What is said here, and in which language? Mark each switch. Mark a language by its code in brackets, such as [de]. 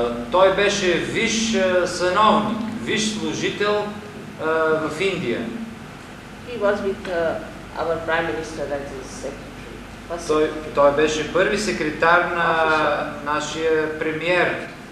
[bg] Той беше виш сановник, виш служител в Индия. [en] He was with our prime minister, that is secretary. [bg] Той беше първи секретар на нашия премиер.